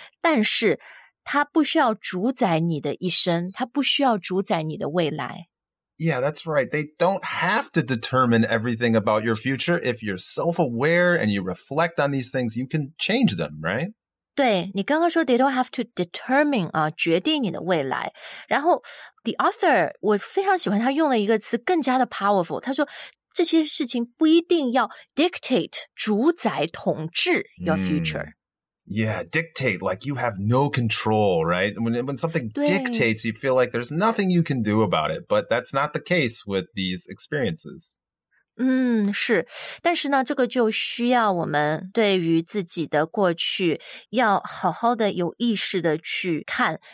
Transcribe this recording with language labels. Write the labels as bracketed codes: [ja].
[zh] 但是它不需要主宰你的一生，它不需要主宰你的未来。 [en] Yeah, that's right. They don't have to determine everything about your future. If you're self-aware and you reflect on these things, you can change them, right? [zh] 对，你刚刚说 [en] they don't have to determine, [zh] 决定你的未来。然后 [en] the author, [zh] 我非常喜欢他用了一个词更加的 powerful, 他说这些事情不一定要 dictate, 主宰统治 [en] your future.、 Yeah, dictate, like you have no control, right? When something dictates, you feel like there's nothing you can do about it. But that's not the case with these experiences. [zh] 是，但是呢，这个就需要我们对于自己的过去要好好的有意识的去看。